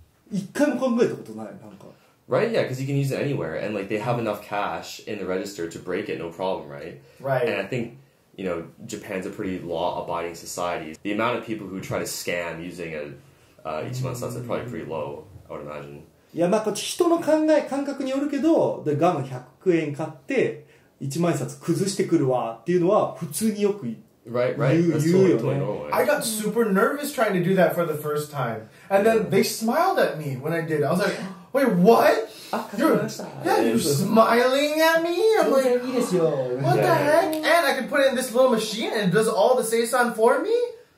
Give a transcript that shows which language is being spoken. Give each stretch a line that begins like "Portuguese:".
English: Right, yeah, because you can use it anywhere, and like they have enough cash in the register to break it, no problem, right? Right. And I think, you know, Japan's a pretty law-abiding society. The amount of people who try to scam using a Ichiman Satsu is probably pretty low, I would imagine.
Japanese: Yeah, まあこっち人の考え感覚によるけど、でガム100円買って1万札崩してくるわっていうのは普通によく。
English: Right, right. I got super nervous trying to do that for the first time. And then they smiled at me when I did. I was like, wait, what? You're smiling at me? I'm like, what the heck? And I can put it in this little machine and it does all the seisan for me?